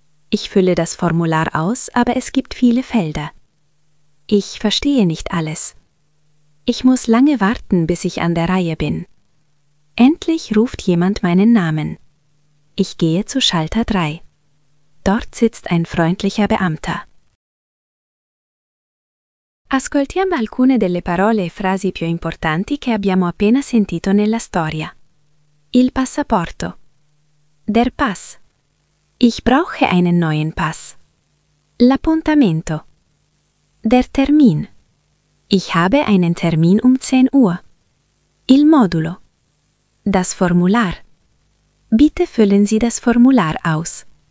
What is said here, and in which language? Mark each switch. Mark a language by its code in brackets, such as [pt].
[de] Ich fülle das Formular aus, aber es gibt viele Felder. Ich verstehe nicht alles. Ich muss lange warten, bis ich an der Reihe bin. Endlich ruft jemand meinen Namen. Ich gehe zu Schalter 3. Dort sitzt ein freundlicher Beamter. [it] Ascoltiamo alcune delle parole e frasi più importanti che abbiamo appena sentito nella storia. Il passaporto. [de] Der Pass. Ich brauche einen neuen Pass. [it] L'appuntamento. [de] Der Termin. Ich habe einen Termin um 10 Uhr. [it] Il modulo. [de] Das Formular. Bitte füllen Sie das Formular aus.